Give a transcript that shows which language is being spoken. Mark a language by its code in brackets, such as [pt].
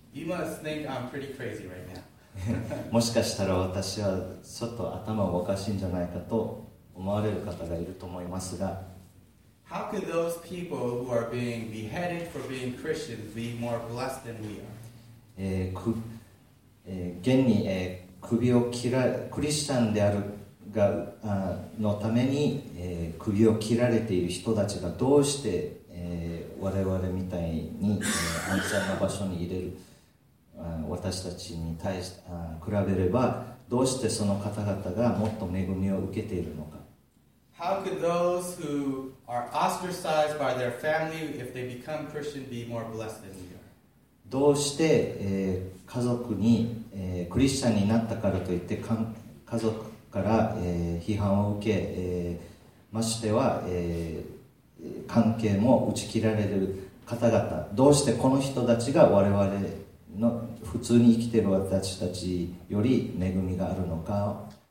[en] You must think I'm pretty crazy right now. [ja] もしかしたら私はちょっと頭がおかしいんじゃないかと思われる方がいると思いますが、 [en] How could those people who are being beheaded for being Christians be more blessed than we are? [ja] 現に、首を切ら、クリスチャンであるが、のために、首を切られている人たちがどうして、我々みたいに、安全な場所に入れる、私たちに対して、比べればどうしてその方々がもっと恵みを受けているのか。 [en] How could those who are ostracized by their family if they become Christian be more blessed than we are? [ja] どうして、家族に、クリスチャンになったからといって家族から、批判を受け、ましては、関係も打ち切られる方々、どうしてこの人たちが我々の普通に生きている私たちより恵みがあるのか。